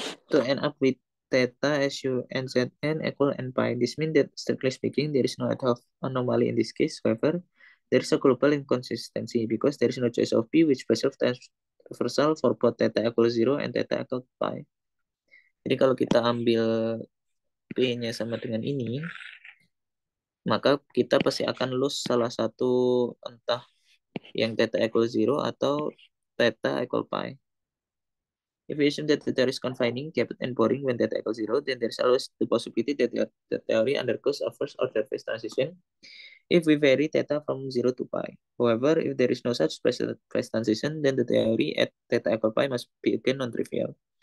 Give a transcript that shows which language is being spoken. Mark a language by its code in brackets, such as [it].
[en] To end up with theta su n z n equal n pi. This means that strictly speaking, there is no ad hoc anomaly in this case. However, there is a global inconsistency because there is no choice of p which preserves time reversal for both theta equal zero and theta equal pi. [id] Jadi kalau kita ambil p-nya sama dengan ini, maka kita pasti akan lose salah satu entah yang theta equal zero atau theta equal pi. [en] If we assume that the theory is confining, kept and boring when theta equals zero, then there's always the possibility that the theory undergoes a first order phase transition if we vary theta from zero to pi. However, if there is no such phase transition, then the theory at theta equal pi must be again non-trivial.